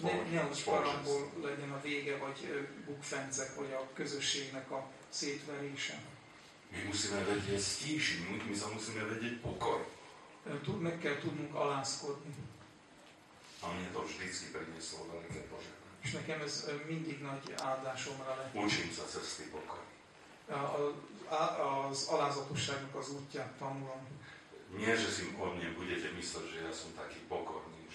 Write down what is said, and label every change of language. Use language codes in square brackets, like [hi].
[hu] Nehogy parangol legyen a vége, vagy bukfencek, vagy a közösségnek a szétverése. [sk] Mi musíme vedieť stíšiť, my sa musíme vedieť pokor. [hu] Meg kell tudnunk alázkodni. [sk] A mne to vždycky prinieslo veľké požehnanie. [hu] És nekem ez mindig nagy áldásomra lett. [sk] Učím sa cesty pokor. [hu] Az alázatosságnak az útját tanulom. [sk] Nie, že si o mne budete mysleť, že ja som taký pokorný.